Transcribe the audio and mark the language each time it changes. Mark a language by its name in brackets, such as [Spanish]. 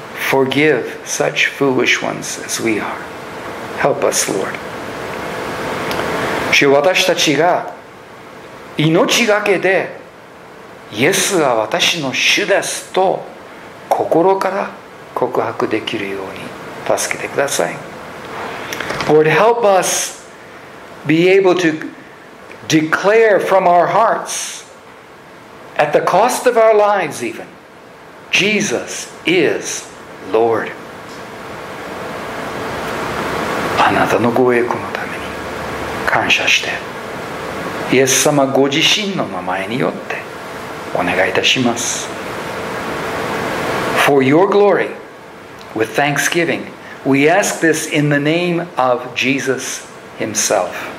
[English] Forgive such foolish ones as we are. Help us, Lord. [Japanese] 主、私たちが命がけでイエスは私の主ですと心から告白できるように助けてください。 [English] Lord, help us be able to declare from our hearts, at the cost of our lives even, Jesus is Lord. [Japanese] あなたのご栄光のために感謝して、イエス様ご自身の名前によってお願いいたします。 [English] For your glory, with thanksgiving, we ask this in the name of Jesus Himself.